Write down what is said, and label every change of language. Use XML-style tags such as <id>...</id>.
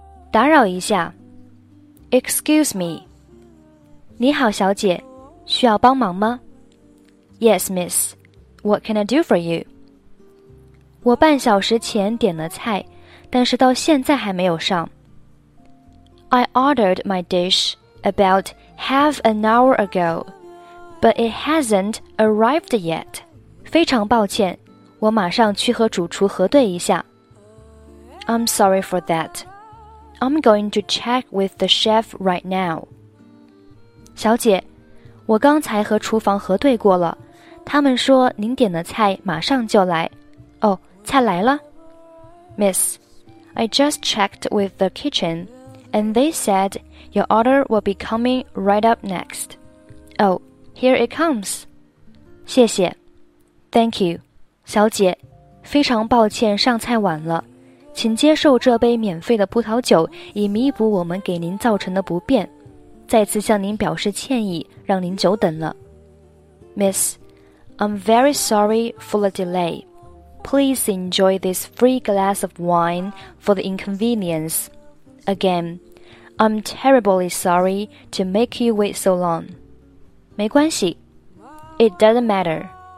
<zh>打扰一下 ，</zh> <en>Excuse me。</en> <zh>你好，小姐，需要帮忙吗 ？</zh> <en>Yes, miss. What can I do for you?</en> <zh>我半小时前点了菜，但是到现在还没有上。</zh> <en>I ordered my dish. About half an hour ago, but it hasn't arrived yet.</en> <zh>非常抱歉，我马上去和主厨核对一下。</zh> <en>I'm sorry for that. I'm going to check with the chef right now.</en> <zh>小姐，我刚才和厨房核对过了，他们说您点的菜马上就来。哦，菜来了。</zh> <en>Miss, I just checked with the kitchen. And they said your order will be coming right up next. Oh, here it comes.</en> <zh>谢谢。</zh> <en>Thank you.</en> <zh>小姐，非常抱歉上菜晚了，请接受这杯免费的葡萄酒以弥补我们给您造成的不便。再次向您表示歉意，让您久等了。</zh> <en>Miss, I'm very sorry for the delay. Please enjoy this free glass of wine for the inconvenience. Again, I'm terribly sorry to make you wait so long.</en> <zh>没关系。</zh> <en>It doesn't matter.</en>